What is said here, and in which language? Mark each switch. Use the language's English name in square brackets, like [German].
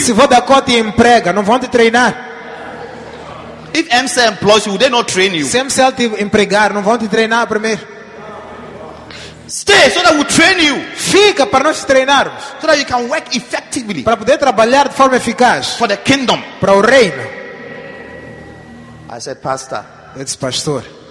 [Portuguese] Se Vodacom te emprega, não vão te treinar. [English] If MC employs, would they not train you? [Portuguese] Se MC te empregar, não vão te treinar primeiro. [English] Stay so that we train you. [Portuguese] Fica para nós treinarmos. [English] So that you can work effectively. [Portuguese] Para poder trabalhar de forma eficaz. [English] For the kingdom. [Portuguese] Para o reino. [English] I said, pastor. It's pastor.